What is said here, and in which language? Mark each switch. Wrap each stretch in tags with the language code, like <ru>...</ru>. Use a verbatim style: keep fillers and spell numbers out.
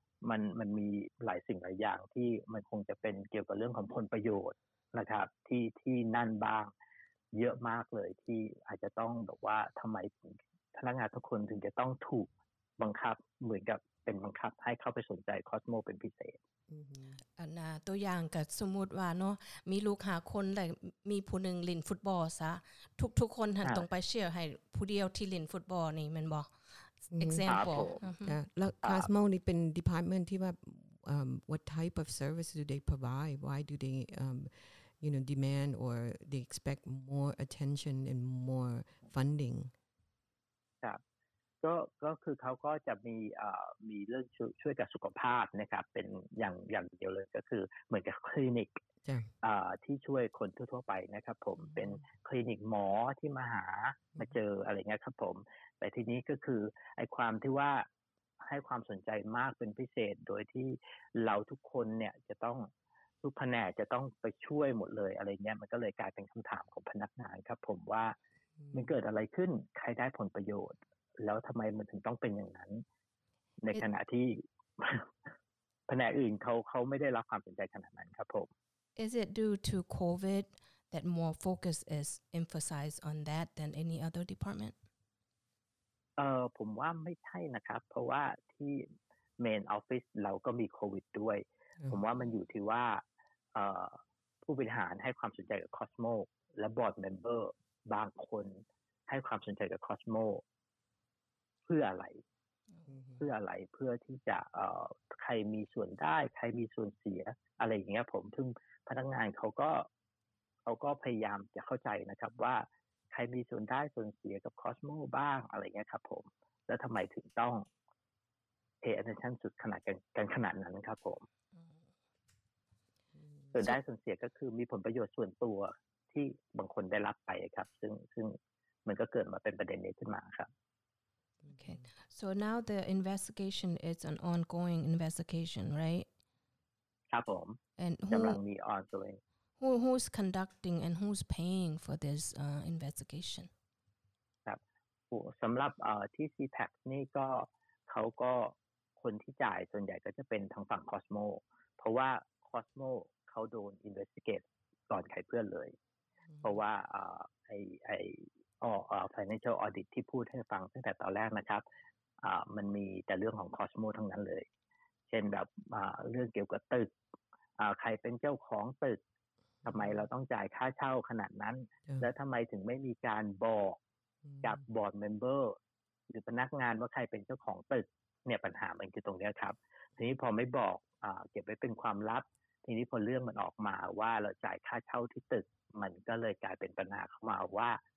<th>มันมันมีหลายสิ่งหลายอย่างที่มันคงจะเป็นเกี่ยวกับเรื่องของผลประโยชน์นะครับที่ที่นั่นบ้างเยอะมากเลยที่อาจจะต้องแบบว่าทำไมถึงพนักงานทุกคนถึงจะต้องถูกบังคับเหมือนกับเป็นบังคับให้เข้าไปสนใจคอสโมเป็นพิเศษ อืม Uh, อ่าตัวอย่างก็สมมุติว่าเนาะมีลูกห้าคนแล้วมีผู้หนึ่งเล่นฟุตบอลซะทุกๆคนหันต้องไปเชียร์ให้ผู้เดียวที่เล่นฟุตบอลนี่แม่นบ่ example แล้วคลาสโมนี่เป็น</th> <en>department ที่ว่า um what type of service do they provide, why do they um you know demand or they expect more attention and more funding</en> <th>ครับก็ก็คือเขาก็จะมีเอ่อมีเรื่องช่วยกับสุขภาพนะครับเป็นอย่างอย่างเดียวเลยก็คือเหมือนกับคลินิกเอ่อที่ช่วยคนทั่วๆไปนะครับผมเป็นคลินิกหมอที่มาหามาเจออะไรเงี้ยครับผมแต่ทีนี้ก็คือไอ้ความที่ว่า ให้ความสนใจมากเป็นพิเศษโดยที่เราทุกคนเนี่ยจะต้องทุกแผนกจะต้องไปช่วยหมดเลยอะไรเงี้ยมันก็เลยกลายเป็นคำถามของพนักงานครับผมว่ามันเกิดอะไรขึ้นใครได้ผลประโยชน์แล้วทำไมมันถึงต้องเป็นอย่างนั้นในขณะที่แผนกอื่นเขาเขาไม่ได้รับความสนใจขนาดนั้นครับผม</th> <en>Is it due to COVID that more focus is emphasized on that than any other department?</en> <th>เอ่อผมว่าไม่ใช่นะครับเพราะว่าที่ Main Office เราก็มีโควิดด้วยผมว่ามันอยู่ที่ว่าเอ่อผู้บริหารให้ความสนใจกับ Cosmo และ Board Member บางคนให้ความสนใจกับ Cosmo เพื่ออะไรเพื่ออะไรเพื่อที่จะเอ่อใครมีส่วนได้ใครมีส่วนเสียอะไรอย่างเงี้ยผมซึ่งพนักงานเขาก็เขาก็พยายามจะเข้าใจนะครับว่าใครมีส่วนได้ส่วนเสียกับ Cosmo บ้างอะไรเงี้ยครับผมแล้วทำไมถึงต้อง</th> <en>pay attention</en> <th>สุดขนาดกันขนาดนั้นครับผมส่วนได้ส่วนเสียก็คือมีผลประโยชน์ส่วนตัวที่บางคนได้รับไปครับซึ่งซึ่งมันก็เกิดมาเป็นประเด็นนี้ขึ้นมาครับ</th> <en>Okay. So now the investigation is an ongoing investigation, right?</en> <th>ครับผม</th> <en>And</en> <th>กำลังมี ongoing.</th> <en>Who who's conducting and who's paying for this uh, investigation?</en> <th>ครับสำหรับเอ่อที่ ซี พี เอ ซี นี่ก็เขาก็คนที่จ่ายส่วนใหญ่ก็จะเป็นทางฝั่ง Cosmo เพราะว่า Cosmo เขาโดน investigate ก่อนใครเพื่อนเลย mm-hmm. เพราะว่าเอ่อไอไอ อ๋อ financial audit ที่พูดให้ฟังตั้งแต่ตอนแรกนะครับอ่ามันมีแต่เรื่องของ Cosmo ทั้งนั้นเลยเช่นแบบอ่าเรื่องเกี่ยวกับตึกอ่าใครเป็นเจ้าของตึกทำไมเราต้องจ่ายค่าเช่าขนาดนั้นแล้วทำไมถึงไม่มีการบอกกับ board member หรือพนักงานว่าใครเป็นเจ้าของตึกเนี่ยปัญหามันคือตรงนี้ครับทีนี้พอไม่บอกอ่าเก็บไว้เป็นความลับทีนี้พอเรื่องมันออกมาว่าเราจ่ายค่าเช่าที่ตึกมันก็เลยกลายเป็นปัญหาเข้ามาว่า</th>